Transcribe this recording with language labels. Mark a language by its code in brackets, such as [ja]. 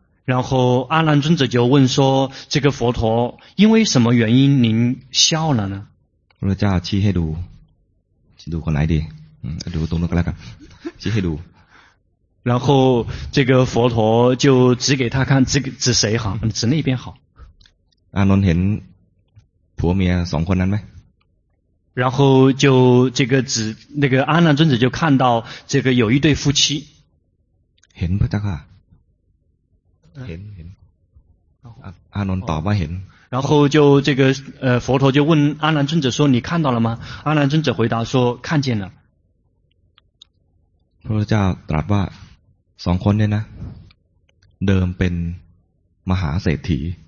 [zh] 然后阿难尊者就问说这个佛陀因为什么原因您笑了呢 [th] พระพุทธเจ้าชี้ให้ดูชี้ดูคนไหนดีดูตรงนั้นก็แล้วกันชี้ให้ดู [zh] 然后这个佛陀就指给他看指谁好指那边好 [th] อานนท์เห็นผัวเมียสองคนนั้นไหม [zh] 然后就这个指那个阿难尊者就看到这个有一对夫妻。 [th] เห็นพระเจ้าค่ะ。 เห็น。阿难ตอบว่าเห็น。 [zh] 然后就这个佛陀就问阿难尊者说你看到了吗？阿难尊者回答说看见了。 [th] พระเจ้าตรัสว่าสองคนเนี่ยนะเดิมเป็นมหาเศรษฐี。